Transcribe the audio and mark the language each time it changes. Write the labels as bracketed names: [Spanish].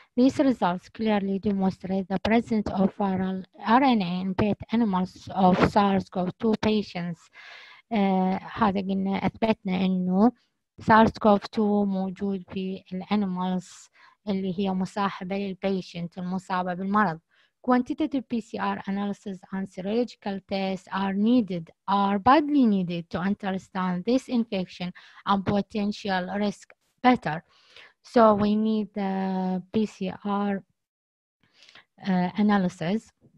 [English] These results clearly demonstrate the presence of viral RNA in pet animals of SARS-CoV-2 patients. [Arabic] هذا قلنا أثبتنا أنه SARS-CoV-2 موجود في الانيمالز اللي هي مصاحبة للبيشنت المصابة بالمرض. [English] Quantitative PCR analysis and serological tests are badly needed to understand this infection and potential risk better. So we need the PCR analysis.